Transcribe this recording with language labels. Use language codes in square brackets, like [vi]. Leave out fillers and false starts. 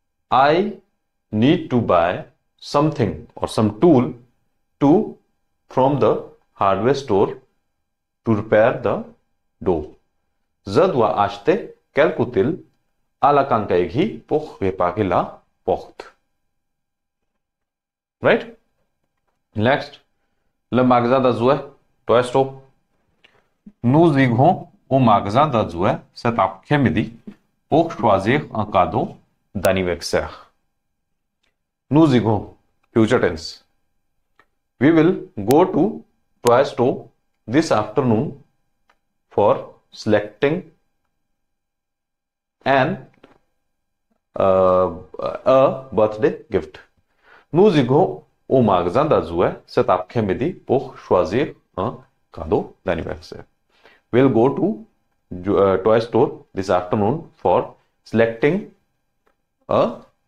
[en] I need to buy something or some tool to from the hardware store to repair the door. [fr] Je dois acheter quelques outils à la quincaillerie pour réparer la porte. [en] Right? Next, [fr] le magasin de jouets, [en] toy store. [fr] Nous irons au magasin de jouets cet après-midi pour choisir un cadeau d'anniversaire. Nous irons, [en] future tense. We will go to toy store this afternoon for selecting a birthday gift. [fr] Nous irons au magasin de jouets cet après-midi pour choisir un cadeau d'anniversaire. [en] We'll go to toy store this afternoon for selecting a